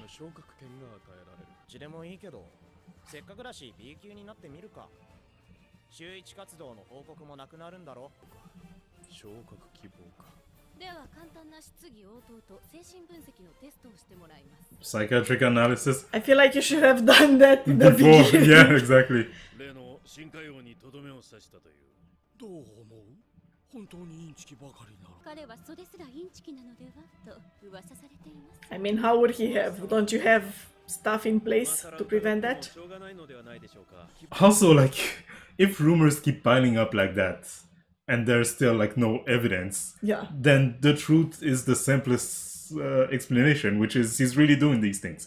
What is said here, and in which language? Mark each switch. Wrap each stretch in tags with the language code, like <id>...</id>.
<ja>昇格権が与えられる。ちでもいいけど、せっかくらしい B 級になってみるか。週一活動の報告もなくなるんだろう。昇格希望か。では簡単な質疑応答と精神分析のテストをしてもらいます。</ja> <en>Psychiatric analysis. I feel like you should have done that in the beginning. Yeah, exactly.</en> <ja>例の深海王にとどめを刺したという。どう思う？本当にインチキばかりなら彼はそれすらインチキなのではと噂されています。</ja> <en>I mean, how would he have? Don't you have stuff in place to prevent that?</en> <ja>しょうがないのではないでしょうか。</ja> <en>Also, like, if rumors keep piling up like that, and there's still like no evidence, yeah, then the truth is the simplest explanation, which is he's really doing these things.</en>